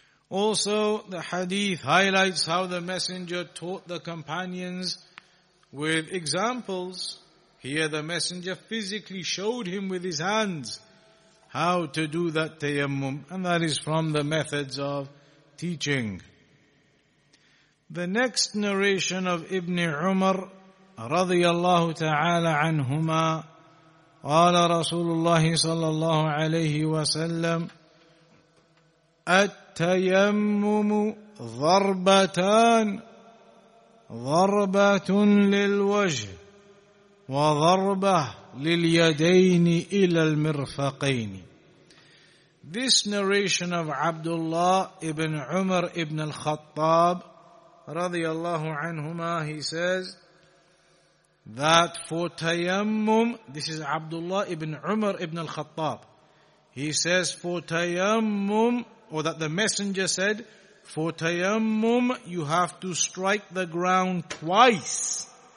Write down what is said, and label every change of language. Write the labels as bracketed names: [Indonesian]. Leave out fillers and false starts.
[English] Also, the hadith highlights how the messenger taught the companions with examples. Here the messenger physically showed him with his hands how to do that tayammum, and that is from the methods of teaching. The next narration of Ibn Umar radiyallahu ta'ala anhuma, [Arabic] قال رسول الله صلى الله عليه وسلم التيمم ضربتان ضربة للوجه وضربة لليدين إلى المرفقين. [English] This narration of Abdullah ibn Umar ibn al-Khattab [Arabic] رضي الله عنهما, [English] he says that for tayammum, this is Abdullah ibn Umar ibn al-Khattab, he says for tayammum, or that the messenger said, for tayammum you have to strike the ground twice.